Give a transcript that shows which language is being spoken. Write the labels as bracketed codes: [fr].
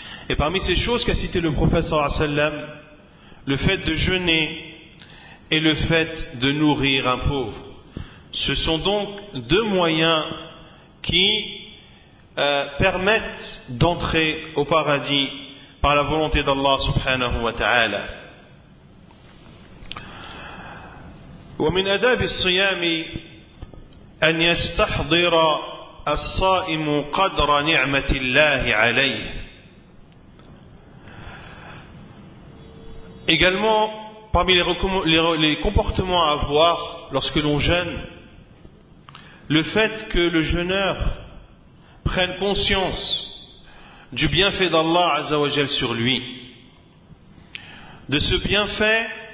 [fr] Et parmi ces choses qu'a cité le prophète sallallahu alayhi wa sallam, le fait de jeûner et le fait de nourrir un pauvre. Ce sont donc deux moyens qui permettent d'entrer au paradis par la volonté d'Allah subhanahu wa ta'ala. [ar] ومن أداب الصيام أن يستحضر الصائم قدر نعمة الله عليه. [fr] Également, parmi les comportements à avoir lorsque l'on jeûne, le fait que le jeûneur prenne conscience du bienfait d'Allah Azza wa Jal sur lui, de ce bienfait